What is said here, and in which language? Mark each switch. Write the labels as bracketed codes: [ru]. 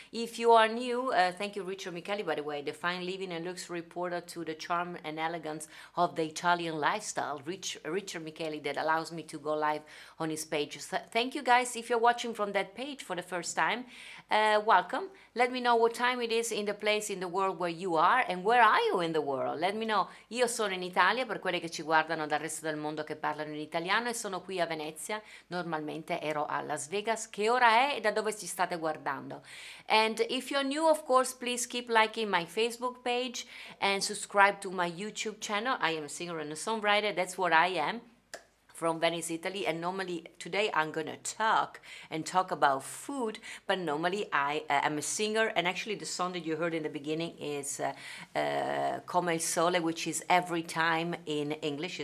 [en] If you are new, thank you, Richard Micheli, by the way, the fine living and luxury porter to the charm and elegance of the Italian lifestyle, Richard Micheli, that allows me to go live on his page. Thank you, guys. If you're watching from that page for the first time, welcome. Let me know what time it is in the place in the world where you are. are and where are you in the world? Let me know. [it] Io sono in Italia, per quelli che ci guardano dal resto del mondo che parlano in italiano, e sono qui a Venezia. Normalmente ero a Las Vegas. Che ora è e da dove ci state guardando? [en] And if you're new, of course, please keep liking my Facebook page and subscribe to my YouTube channel. I am a singer and a songwriter. That's what I am. From Venice, Italy, and normally today I'm gonna talk about food, but normally I am a singer, and actually the song that you heard in the beginning is Come il Sole, which is Every Time in English.